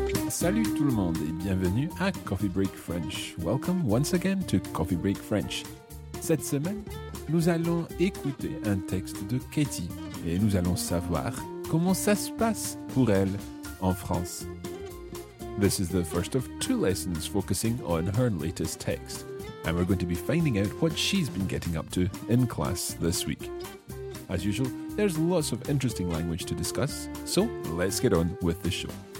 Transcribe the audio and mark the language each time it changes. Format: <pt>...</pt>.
<fr>Salut tout le monde et bienvenue à Coffee Break French.</fr> <en>Welcome once again to Coffee Break French.</en> <fr>Cette semaine, nous allons écouter un texte de Katie et nous allons savoir comment ça se passe pour elle en France.</fr> <en>This is the first of two lessons focusing on her latest text. And we're going to be finding out what she's been getting up to in class this week. As usual, there's lots of interesting language to discuss, so let's get on with the show.</en>